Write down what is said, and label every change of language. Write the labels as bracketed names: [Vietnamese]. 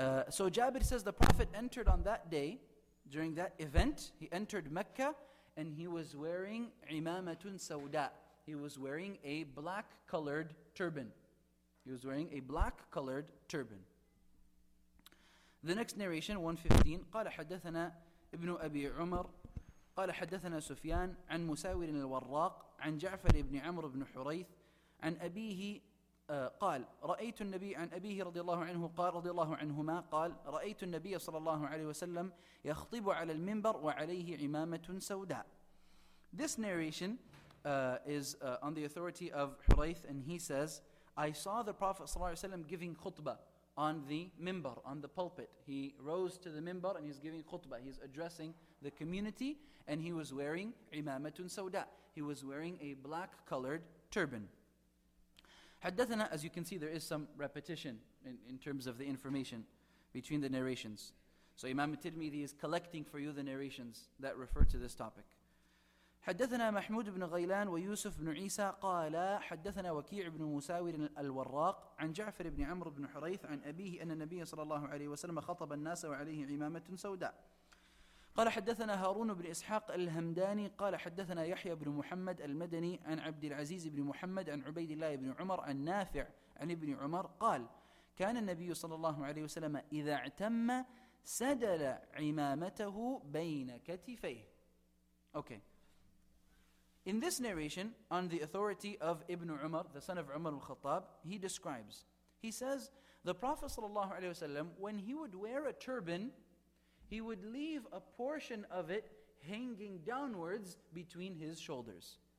[English] So Jabir says the Prophet entered on that day, during that event, he entered Mecca, and he was wearing imamatun sawda. He was wearing a black-colored turban. He was wearing a black-colored turban. The next narration, 115, [Arabic] قال حدثنا ابن أبي عمر قال حدثنا سفيان عن مساور الوراق عن جعفر بن عمرو بن حريث عن أبيه قال رأيت النبي عن أبيه رضي الله عنه قال رضي الله عنهما قال رأيت النبي صلى الله عليه وسلم يخطب على المنبر وعليه عمامة سوداء. [English] This narration is on the authority of Hurayth, and he says I saw the Prophet [Arabic] صلى الله عليه وسلم [English] giving khutbah on the minbar, on the pulpit. He rose to the minbar and he's giving khutbah. He's addressing the community, and he was wearing imamatun sawda. He was wearing a black-colored turban. Haddathana, as you can see, there is some repetition in terms of the information between the narrations. So Imam Tirmidhi is collecting for you the narrations that refer to this topic. [Arabic] حدثنا محمود بن غيلان ويوسف بن عيسى قال حدثنا وكيع بن مساور الوراق عن جعفر بن عمرو بن حريث عن أبيه أن النبي صلى الله عليه وسلم خطب الناس وعليه عمامة سوداء. قال حدثنا هارون بن إسحاق الهمداني قال حدثنا يحيى بن محمد المدني عن عبد العزيز بن محمد عن عبيد الله بن عمر عن نافع عن ابن عمر قال كان النبي صلى الله عليه وسلم إذا اعتم سدل عمامته بين كتفيه. [English] Okay. In this narration, on the authority of Ibn Umar, the son of Umar al-Khattab, he describes. He says, the Prophet ﷺ, when he would wear a turban, he would leave a portion of it hanging downwards between his shoulders.